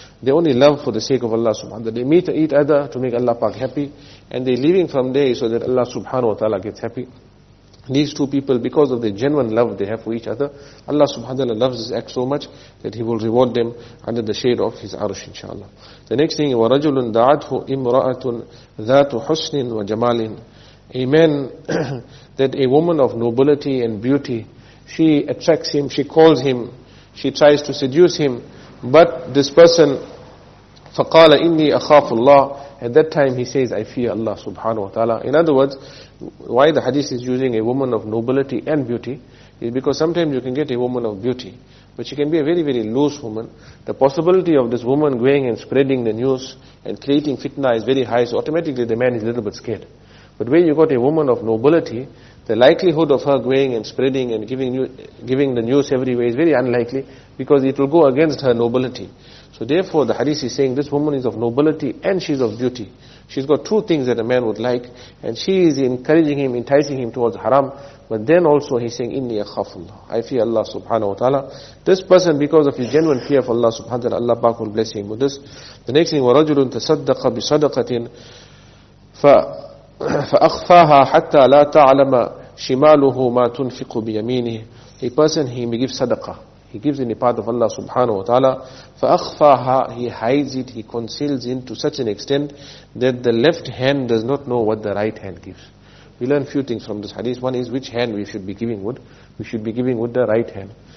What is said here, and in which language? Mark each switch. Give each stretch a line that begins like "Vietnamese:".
English: They only love for the sake of Allah subhanahu wa ta'ala. They meet each other to make Allah Pak happy, and they're leaving from there so that Allah subhanahu wa ta'ala gets happy. These two people, because of the genuine love they have for each other, Allah subhanahu wa ta'ala loves this act so much that He will reward them under the shade of His arsh, inshaAllah. The next thing,
Arabic: وَرَجُلٌ دَعَتْهُ إِمْرَأَةٌ ذَاتُ حُسْنٍ وَجَمَالٍ.
English: Amen. That a woman of nobility and beauty, she attracts him, she calls him, she tries to seduce him. But this person,
Arabic: فَقَالَ إِنِّي أَخَافُ اللَّهِ.
English: At that time he says, I fear Allah subhanahu wa ta'ala. In other words, why the hadith is using a woman of nobility and beauty is because sometimes you can get a woman of beauty, but she can be a very, very loose woman. The possibility of this woman going and spreading the news and creating fitna is very high, so automatically the man is a little bit scared. But when you got a woman of nobility, the likelihood of her going and spreading and giving the news everywhere is very unlikely, because it will go against her nobility. So therefore the hadith is saying this woman is of nobility and she's of beauty. She's got two things that a man would like, and she is encouraging him, enticing him towards haram. But then also he's saying,
Arabic: إِنِّي أَخَافُ اللَّهِ,
English: I fear Allah subhanahu wa ta'ala. This person, because of his genuine fear of Allah subhanahu wa ta'ala, Allah Pak will bless him with this. The next thing,
Arabic: وَرَجُلٌ تَصَدَّقَ بِصَدَقَةٍ فَأَخْفَاهَا حَتَّى لَا تَعْلَمَ شِمَالُهُ مَا تُنْفِقُ بِيَمِينِهِ.
English: A person, he may give sadaqah. He gives in the path of Allah subhanahu wa ta'ala.
Arabic: فَأَخْفَاهَا,
English: he hides it, he conceals it to such an extent that the left hand does not know what the right hand gives. We learn a few things from this hadith. One is which hand we should be giving with. We should be giving with the right hand.